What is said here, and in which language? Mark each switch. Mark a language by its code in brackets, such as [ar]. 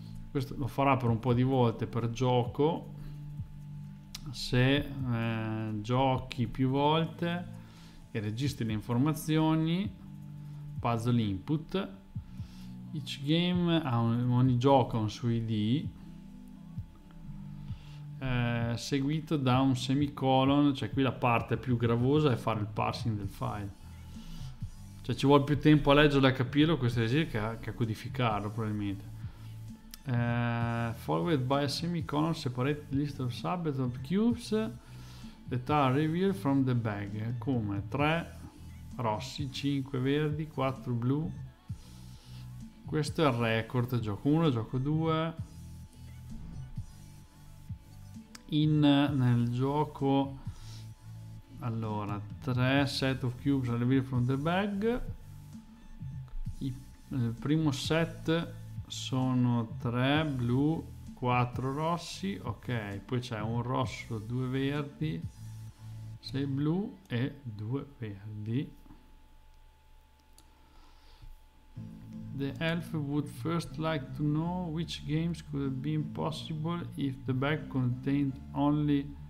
[it] Questo lo farà per un po' di volte per gioco. Se giochi più volte e registri le informazioni, [en] puzzle input, each game [it] ha ogni gioco ha un suo ID seguito da un semicolon, cioè qui la parte più gravosa è fare il parsing del file, cioè ci vuole più tempo a leggerlo e a capirlo questo esercizio che a codificarlo probabilmente. [en] Followed by a semicolon separate list of subsets of cubes that are revealed from the bag, [it] come 3 rossi, 5 verdi, 4 blu. Questo è il record, gioco 1, gioco 2. Nel gioco, allora, [en] 3 set of cubes revealed from the bag. [it] Il primo set sono 3 blu, 4 rossi, ok, poi c'è un rosso, 2 verdi, 6 blu e 2 verdi. [en] The elf would first like to know which games could have been possible if the bag contained only